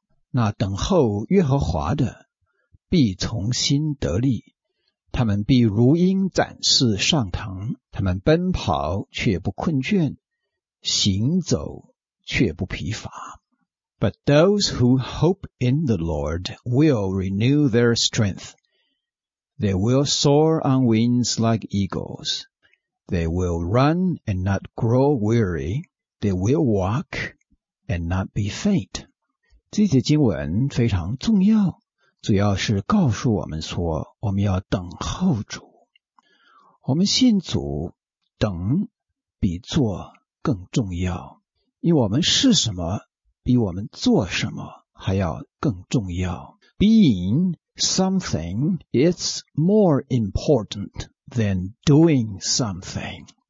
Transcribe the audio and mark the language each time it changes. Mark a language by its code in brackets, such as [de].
[zh] 那等候耶和华的必重新得力，他们必如鹰展翅上腾，他们奔跑却不困倦，行走却不疲乏。 [en] But those who hope in the Lord will renew their strength. They will soar on wings like eagles. They will run and not grow weary. They will walk and not be faint. [zh] 这节经文非常重要，主要是告诉我们说，我们要等候主。我们信主等比做更重要，因为我们是什么比我们做什么还要更重要。 [en] Being something is more important than doing something.